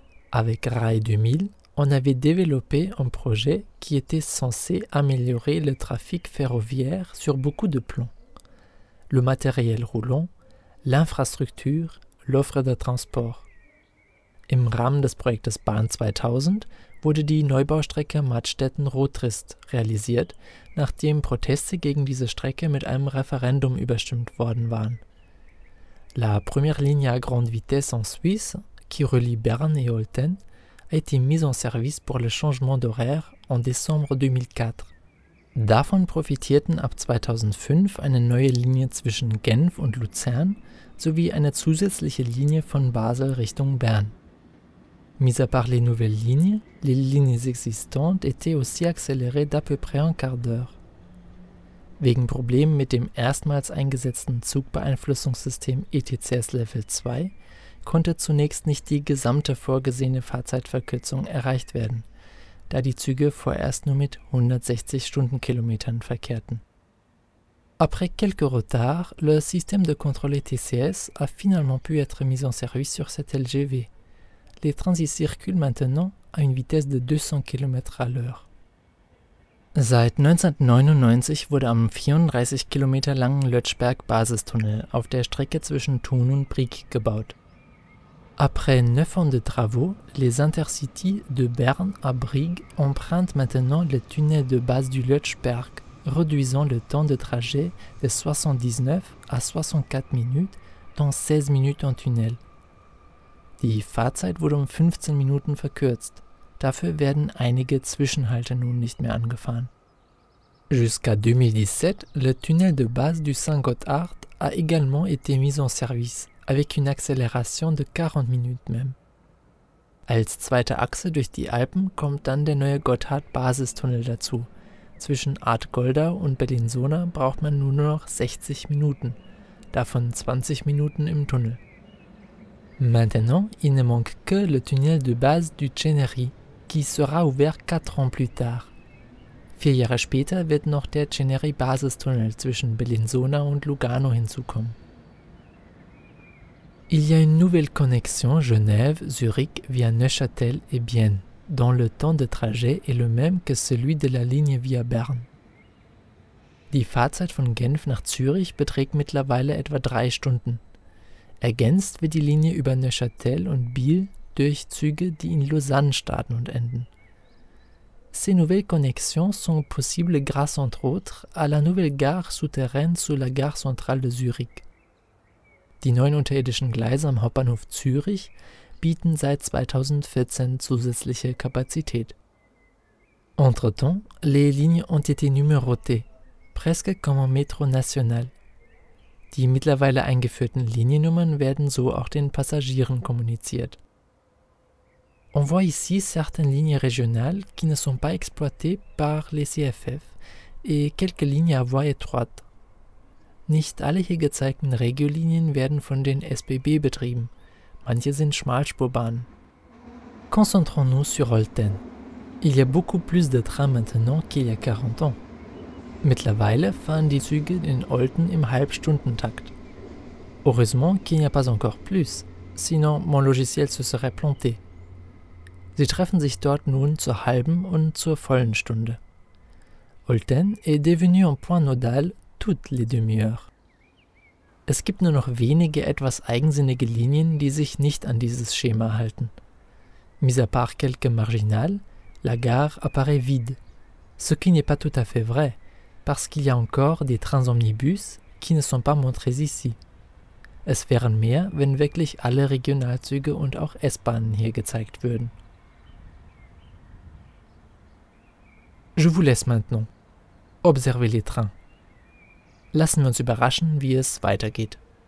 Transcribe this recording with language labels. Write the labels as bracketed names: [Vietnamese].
[French] Avec Rail 2000, on avait développé un projet qui était censé améliorer le trafic ferroviaire sur beaucoup de plans. Le matériel roulant, l'infrastructure, l'offre de transport. [German] Im Rahmen des Projektes Bahn 2000 wurde die Neubaustrecke Madstetten-Rotrist realisiert, nachdem Proteste gegen diese Strecke mit einem Referendum überstimmt worden waren. [French] La première ligne à grande vitesse en Suisse, qui relie Berne et Olten, a été mise en service pour le changement d'horaire en décembre 2004. [German] Davon profitierten ab 2005 eine neue Linie zwischen Genf und Luzern sowie eine zusätzliche Linie von Basel Richtung Bern. [French] Mis à part les nouvelles lignes, les lignes existantes étaient aussi accélérées d'à peu près un quart d'heure. [German] Wegen Problemen mit dem erstmals eingesetzten Zugbeeinflussungssystem ETCS Level 2 konnte zunächst nicht die gesamte vorgesehene Fahrzeitverkürzung erreicht werden, da die Züge vorerst nur mit 160 Stundenkilometern verkehrten. [French] Après quelques retards, le système de contrôle ETCS a finalement pu être mis en service sur cette LGV. Les trains y circulent maintenant à une vitesse de 200 km à l'heure. [German] Seit 1999 wurde am 34 km langen Lötschberg-Basistunnel auf der Strecke zwischen Thun und Brieg gebaut. [French] Après 9 ans de travaux, les Intercities de Berne à Brieg empruntent maintenant le tunnel de base du Lötschberg, réduisant le temps de trajet de 79 à 64 minutes, dont 16 minutes en tunnel. [German] Die Fahrzeit wurde um 15 Minuten verkürzt. Dafür werden einige Zwischenhalte nun nicht mehr angefahren. [French] Jusqu'à 2017, le tunnel de base du Saint-Gotthard a également été mis en service, avec une accélération de 40 minutes même. [German] Als zweite Achse durch die Alpen kommt dann der neue Gotthard-Basistunnel dazu. Zwischen Arth-Goldau und Bellinzona braucht man nur noch 60 Minuten, davon 20 Minuten im Tunnel. [French] Maintenant, il ne manque que le tunnel de base du Ceneri, qui sera ouvert 4 ans plus tard. [German] 4 Jahre später wird noch der Ceneri-Basistunnel zwischen Bellinzona und Lugano hinzukommen. [French] Il y a une nouvelle connexion Genève-Zurich via Neuchâtel et Bienne, dont le temps de trajet est le même que celui de la ligne via Berne. [German] Die Fahrzeit von Genf nach Zürich beträgt mittlerweile etwa 3 Stunden. Ergänzt wird die Linie über Neuchâtel und Biel durch Züge, die in Lausanne starten und enden. [French] Ces nouvelles connexions sont possibles grâce entre autres à la nouvelle gare souterraine sous la gare centrale de Zurich. [German] Die neuen unterirdischen Gleise am Hauptbahnhof Zürich bieten seit 2014 zusätzliche Kapazität. [French] Entre-temps, les lignes ont été numérotées, presque comme en métro national. [German] Die mittlerweile eingeführten Liniennummern werden so auch den Passagieren kommuniziert. [French] On voit ici certaines lignes régionales qui ne sont pas exploitées par les CFF et quelques lignes à voie étroite. [German] Nicht alle hier gezeigten Regiolinien werden von den SBB betrieben. Manche sind Schmalspurbahnen. [French] Concentrons-nous sur Olten. Il y a beaucoup plus de trains maintenant qu'il y a 40 ans. [German] Mittlerweile fahren die Züge in Olten im Halbstundentakt. [French] Heureusement qu'il n'y a pas encore plus, sinon mon logiciel se serait planté. [German] Sie treffen sich dort nun zur halben und zur vollen Stunde. [French] Olten est devenu un point nodal toutes les demi-heures. [German] Es gibt nur noch wenige etwas eigensinnige Linien, die sich nicht an dieses Schema halten. [French] Mis à part quelques marginales, la gare apparaît vide. Ce qui n'est pas tout à fait vrai, parce qu'il y a encore des trains omnibus qui ne sont pas montrés ici. [German] Es wären mehr, wenn wirklich alle Regionalzüge und auch S-Bahnen hier gezeigt würden. [French] Je vous laisse maintenant. Observez les trains. [German] Lassen wir uns überraschen, wie es weitergeht.